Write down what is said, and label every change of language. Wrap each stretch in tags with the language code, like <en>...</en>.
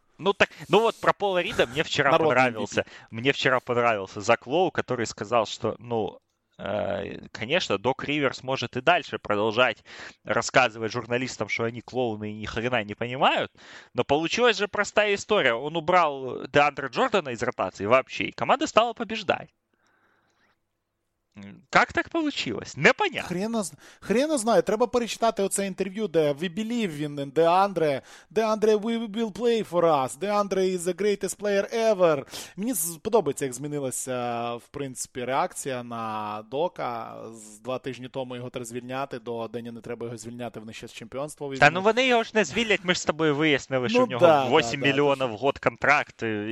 <ru>Ну так, ну вот про Пола Рида мне вчера понравился. Мне вчера понравился Зак Лоу, который сказал, что, ну, конечно, Док Риверс может и дальше продолжать рассказывать журналистам, что они клоуны и ни хрена не понимают. Но получилась же простая история. Он убрал Деандра Джордана из ротации вообще, и команда стала побеждать. Как так получилось? Непонятно.</ru> <uk>Хрена знає, треба перечитати оце інтерв'ю, де</uk> <en>we believe in DeAndre. DeAndre, we will play for us. DeAndre is the greatest player ever.</en> <uk>Мені подобається, як змінилася, в принципі, реакція на Дока з два тижні тому його треба звільняти, до Дені не треба його звільняти, вони ще з чемпіонства візьмуть. Та ну вони його ж не звільнять, ми ж з тобою вияснили, що ну, в нього 8 мільйонів</uk> <ru>в год</ru> <uk>контракт.</uk>